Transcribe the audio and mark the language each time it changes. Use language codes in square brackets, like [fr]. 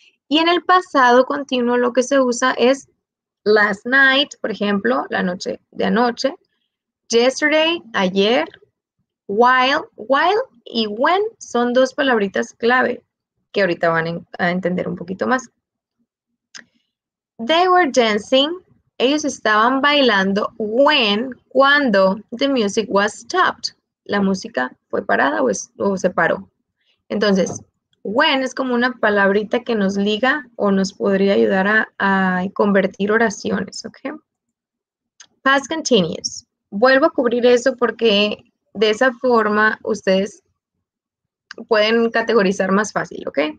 [es] Y en el pasado continuo lo que se usa es [en] last night, [es] por ejemplo, la noche de anoche, yesterday, ayer, while, y when son dos palabritas clave que ahorita van a entender un poquito más. [en] They were dancing, [es] ellos estaban bailando [en] when, cuando the music was stopped. [es] La música fue parada o se paró. Entonces, when es como una palabrita que nos liga o nos podría ayudar a convertir oraciones, ¿ok? Past continuous. Vuelvo a cubrir eso porque de esa forma ustedes pueden categorizar más fácil, ¿ok?